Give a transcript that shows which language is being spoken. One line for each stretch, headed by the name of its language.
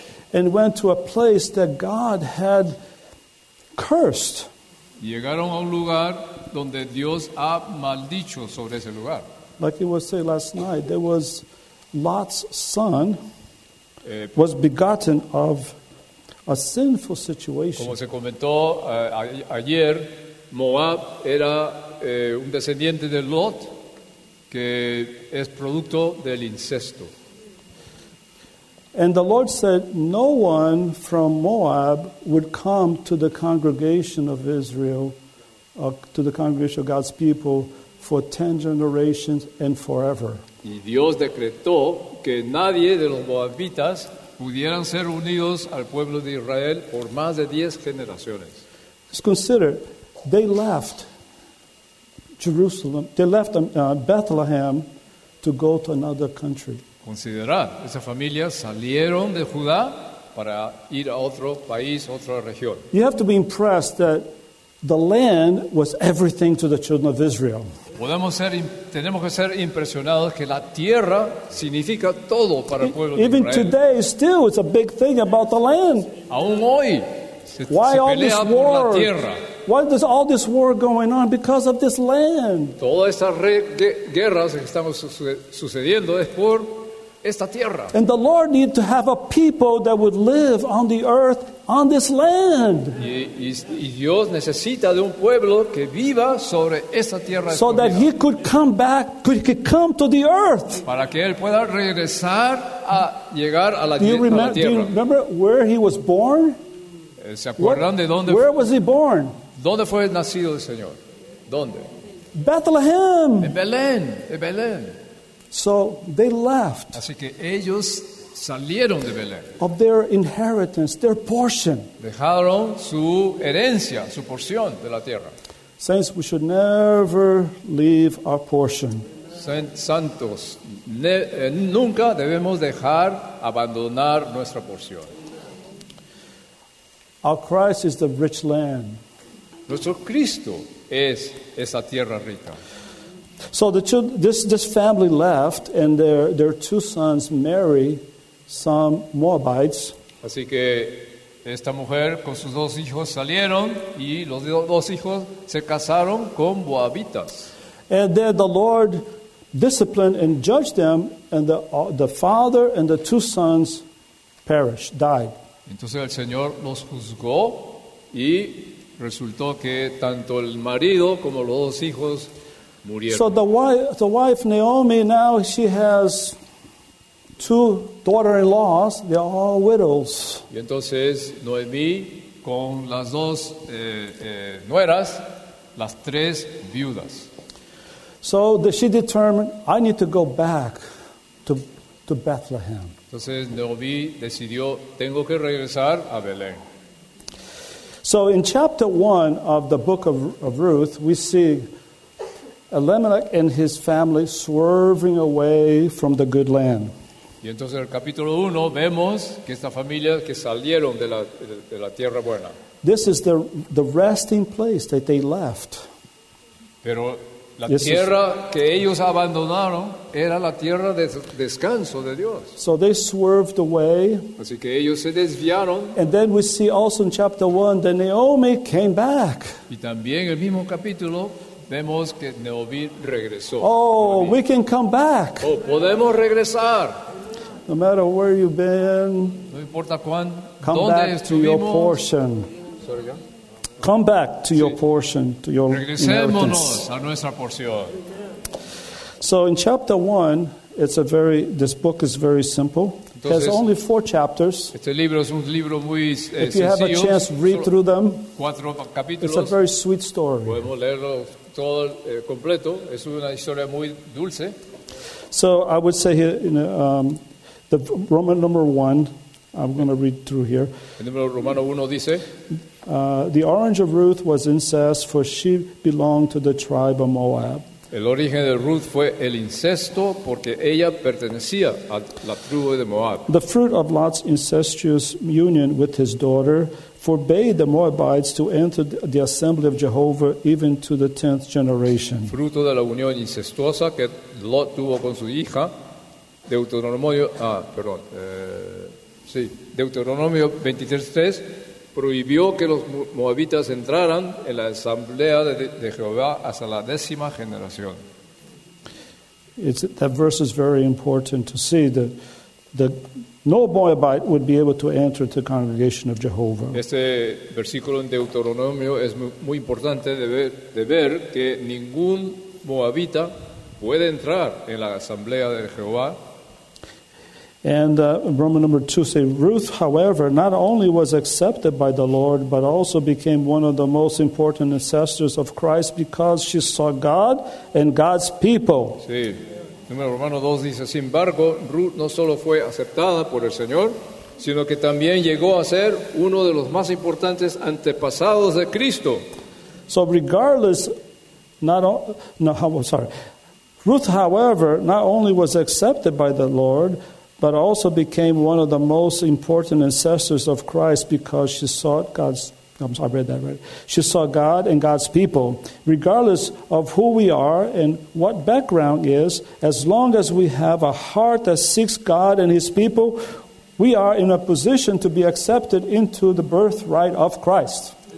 English: And went to a place that God had cursed.
Spanish: Llegaron a un lugar donde Dios ha maldicho sobre ese lugar.
English: Like it was said last night, there was Lot's son was begotten of a sinful situation.
Spanish: Como se comentó ayer, Moab era un descendiente de Lot que es producto del incesto.
English: And the Lord said, no one from Moab would come to the congregation of Israel, to the congregation of God's people, for 10 generations and forever.
Spanish: Y Dios decretó que nadie de los moabitas pudieran ser unidos al pueblo de Israel por más de 10 generaciones.
English: Let's consider, they left Jerusalem, they left Bethlehem to go to another country.
Spanish: Considerar, esa familia salieron de Judá para ir a otro país, otra región.
English: You have to be impressed that the land was everything to the children of Israel.
Spanish: Tenemos que ser impresionados que la tierra significa todo para el pueblo de
English: Israel. Even today, still, it's a big thing about the land.
Spanish: Aún hoy,
English: why
Spanish: se pelea por la tierra.
English: Why is all this war going on? Because of this land.
Spanish: Todas estas guerras que están sucediendo es por esta tierra.
English: And the Lord needed to have a people that would live on the earth on this land.
Spanish: Y Dios necesita de un pueblo que viva sobre esta tierra.
English: So that he could come back, could he come to the earth.
Spanish: Para que él pueda regresar a llegar a la tierra.
English: Do you remember where he was born?
Spanish: ¿Se acuerdan de dónde?
English: Where was he born?
Spanish: ¿Dónde fue nacido el Señor? ¿Dónde?
English: Bethlehem.
Spanish: En Belén.
English: So they left.
Spanish: Así que ellos salieron de Belén.
English: Of their inheritance, their portion.
Spanish: Dejaron su herencia, su porción de la tierra.
English: Saints, we should never leave our portion.
Spanish: Santos, nunca debemos dejar abandonar nuestra porción.
English: Our Christ is the rich land.
Spanish: Nuestro Cristo es esa tierra rica.
English: So this family left, and their two sons marry some Moabites.
Spanish: Así que esta mujer con sus dos hijos salieron, y los dos hijos se casaron con Moabitas.
English: And then the Lord disciplined and judged them, and the father and the two sons perished, died.
Spanish: Entonces el Señor los juzgó, y resultó que tanto el marido como los dos hijos murieron.
English: So the wife Naomi, now she has two daughter-in-laws, they are all widows.
Spanish: Y entonces Noemí con las dos nueras, las tres viudas.
English: So did she determine, I need to go back to Bethlehem.
Spanish: Entonces Noemí decidió, tengo que regresar a Belén.
English: So in chapter 1 of the book of Ruth, we see Elimelech and his family swerving away from the good land.
Spanish: Y entonces en el capítulo 1 vemos que esta familia que salieron de la tierra buena.
English: This is the resting place that they left.
Spanish: Pero la tierra que ellos abandonaron era la tierra de descanso de Dios.
English: So they swerved away.
Spanish: Así que ellos se desviaron.
English: And then we see also in chapter 1 that Naomi came back.
Spanish: Y también en el mismo capítulo vemos que Naomi regresó.
English: Oh, we can come back.
Spanish: Oh, podemos regresar.
English: No matter where you've been,
Spanish: no importa cuán,
English: come
Spanish: donde
English: back
Spanish: estuvimos.
English: To your portion. Come back to your portion, to your inheritance.
Spanish: A nuestra porción.
English: So in chapter 1, this book is very simple.
Spanish: Entonces,
English: it has only 4 chapters.
Spanish: Este libro es un libro muy,
English: if you
Spanish: sencillo,
English: have a chance, read through them.
Spanish: 4 capítulos,
English: it's a very sweet story.
Spanish: Podemos leerlo todo, completo. Es una historia muy dulce.
English: So I would say here, you know, the Roman number 1, I'm going to read through here.
Spanish: El número romano uno dice,
English: the origin of Ruth was incest, for she belonged to the tribe of Moab.
Spanish: El origen de Ruth fue el incesto, porque ella pertenecía a la tribu de Moab.
English: The fruit of Lot's incestuous union with his daughter forbade the Moabites to enter the assembly of Jehovah even to the 10th generation.
Spanish: Fruto de la unión incestuosa que Lot tuvo con su hija, Deuteronomio 23:3 prohibió que los moabitas entraran en la asamblea de Jehová hasta la décima generación.
English: That verse is very important to see that the no Moabite would be able to enter the congregation of Jehovah.
Spanish: Este versículo en Deuteronomio es muy importante de ver que ningún moabita puede entrar en la asamblea de Jehová.
English: And Roman number 2 says, Ruth, however, not only was accepted by the Lord, but also became one of the most important ancestors of Christ because she saw God and God's people.
Spanish: Sí. Número Romano 2 dice, sin embargo, Ruth no solo fue aceptada por el Señor, sino que también llegó a ser uno de los más importantes antepasados de Cristo.
English: So regardless, Ruth, however, not only was accepted by the Lord, but also became one of the most important ancestors of Christ because she sought God's, I'm sorry, I read that right. She sought God and God's people. Regardless of who we are and what background is, as long as we have a heart that seeks God and His people, we are in a position to be accepted into the birthright of Christ.